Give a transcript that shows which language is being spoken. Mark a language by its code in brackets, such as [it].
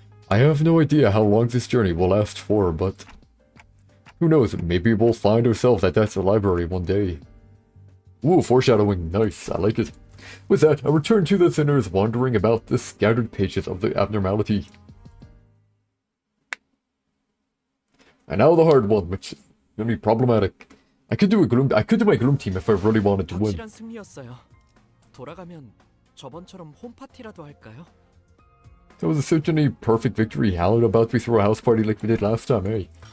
[en] I have no idea how long this journey will last for, but... who knows, maybe we'll find ourselves at that library one day. Ooh, foreshadowing. Nice, I like it. With that, I return to the sinners wandering about the scattered pages of the abnormality. And now the hard one, which is gonna be problematic. I could do my gloom team if I really wanted to win. [ko] 돌아가면 저번처럼 홈파티라도 할까요? [en] That was such a perfect victory. How about we throw a house party like we did last time, eh?